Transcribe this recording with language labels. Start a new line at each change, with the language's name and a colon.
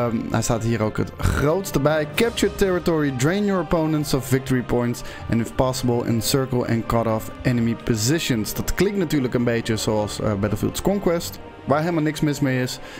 Dutch: Hij staat hier ook het grootste bij.
English: Capture territory, drain your opponents of victory points. And if possible, encircle and cut off enemy positions.
Dutch: Dat klinkt natuurlijk een beetje zoals Battlefield's Conquest. Waar helemaal niks mis mee is.